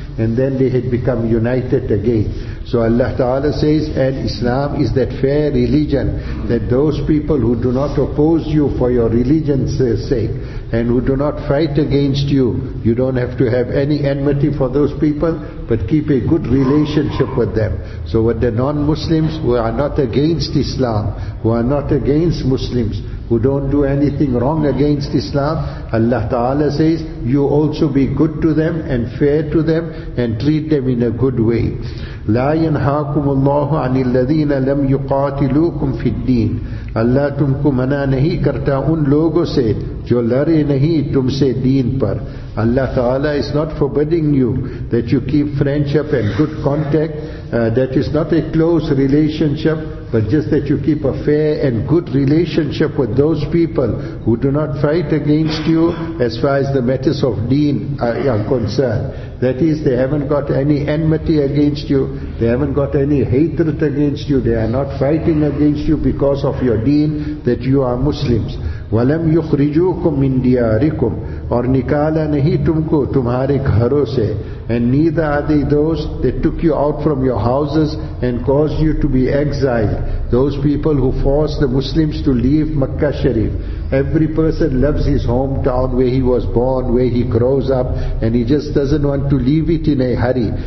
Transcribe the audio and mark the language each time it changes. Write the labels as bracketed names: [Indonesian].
[English] And then they had become united again. So Allah Ta'ala says, and Islam is that fair religion, that those people who do not oppose you for your religion's sake, and who do not fight against you, you don't have to have any enmity for those people, but keep a good relationship with them. So with the non-Muslims who are not against Islam, who are not against Muslims, who don't do anything wrong against Islam, Allah Ta'ala says, you also be good to them and fair to them and treat them in a good way. [Arabic] لا ينهاكم الله عن الذين لم يقاتلوكم في الدين. [Urdu] Allah تم کو منع نہیں کرتا ان لوگوں سے جو لڑے نہیں تم سے دین پر. [English] Allah Ta'ala is not forbidding you that you keep friendship and good contact. That is not a close relationship, but just that you keep a fair and good relationship with those people who do not fight against you as far as the matters of deen are concerned. That is, they haven't got any enmity against you, they haven't got any hatred against you, they are not fighting against you because of your deen, that you are Muslims. [Arabic] وَلَمْ يُخْرِجُوكُمْ مِنْ دِيَارِكُمْ [Urdu] اور نکالا نہیں تم کو تمہارے گھروں سے. [English] And neither are they those that took you out from your houses and caused you to be exiled. Those people who forced the Muslims to leave Makkah Sharif. Every person loves his hometown where he was born, where he grows up, and he just doesn't want to leave it in a hurry.